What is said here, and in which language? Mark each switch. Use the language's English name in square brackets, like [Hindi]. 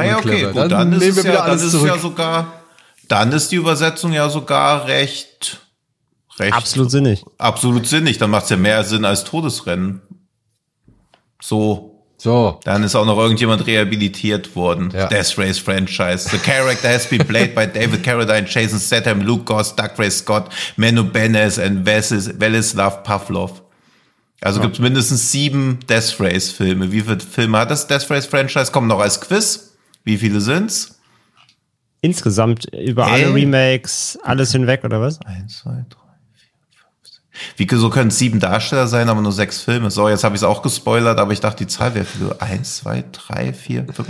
[German] Ah, ja, okay, gut, dann ist die Übersetzung ja sogar recht absolut sinnig. Absolut sinnig, dann macht es ja mehr Sinn als Todesrennen. So. So. Dann ist auch noch irgendjemand rehabilitiert worden. Ja. Death Race Franchise. [English] The character has been played by David Carradine, Jason Statham, Luke Goss, Doug Ray Scott, Manu Benes and Veleslav Pavlov. [German] Also gibt es mindestens 7 Death Race Filme. Wie viele Filme hat das Death Race Franchise? Kommt noch als Quiz. Wie viele sind's? Insgesamt über alle Remakes, alles hinweg oder was? 1, 2, 3. Wie so können 7 Darsteller sein, aber nur 6 Filme? So, jetzt habe ich es auch gespoilert, aber ich dachte, die Zahl wäre so 1, 2, 3, 4, 5.